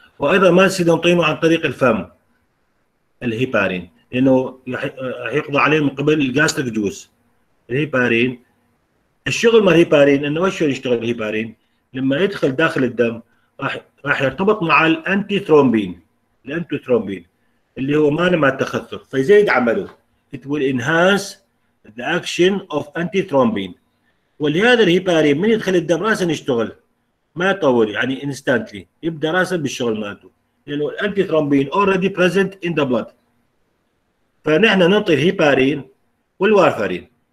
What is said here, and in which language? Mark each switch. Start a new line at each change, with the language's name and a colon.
Arabic: وايضا ما سنعطيه عن طريق الفم الهيبارين، لانه يقضى عليه من قبل الجاستريك جوس. الهيبارين الشغل مال الهيبارين انه وش يشتغل الهيبارين؟ لما يدخل داخل الدم راح يرتبط مع الانتي ثرومبين، الانتي ثرومبين اللي هو مانع مع التخثر، فيزيد عمله.
English: It will enhance the action of anti thrombin.
Arabic: ولهذا الهيبارين من يدخل الدم راسا يشتغل ما يطول، يعني instantly يبدا راسا بالشغل مالته، لانه الانتي ثرومبين
English: already present in the blood.
Arabic: فنحن نعطي الهيبارين والوارفارين.